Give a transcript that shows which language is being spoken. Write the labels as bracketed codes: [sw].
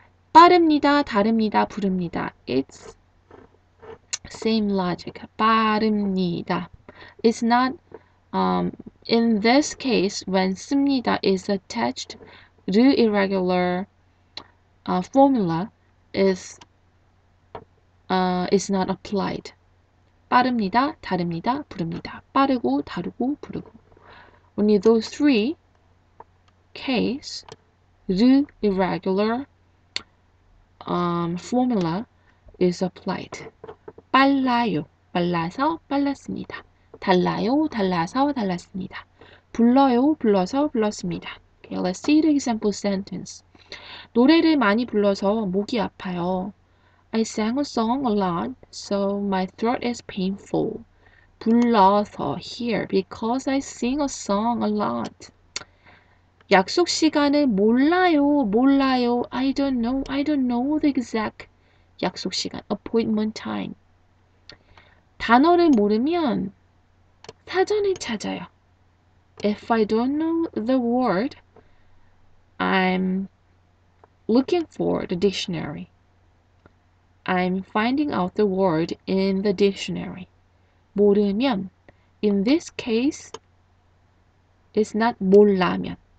[ko] 빠릅니다, 다릅니다, 부릅니다. It's [en] Same logic. 빠릅니다. It's not in this case when 씁니다 is attached to irregular formula is not applied. [ko] 빠릅니다, 다릅니다, 부릅니다. 빠르고, 다르고, 부르고. [en] Only those three case the irregular formula is applied. [ko] 빨라요, 빨라서 빨랐습니다. 달라요, 달라서 달랐습니다. 불러요, 불러서 불렀습니다. [en] Okay, let's see the example sentence. [ko] 노래를 많이 불러서 목이 아파요. [en] I sang a song a lot, so my throat is painful. 불러서 here, because I sing a song a lot. [ko] 약속 시간을 몰라요, 몰라요. [en] I don't know the exact 약속 시간, appointment time. [ko] 단어를 모르면 사전을 찾아요. [en] If I don't know the word, I'm looking for the dictionary. I'm finding out the word in the dictionary. 모르면, in this case, it's not 몰라면.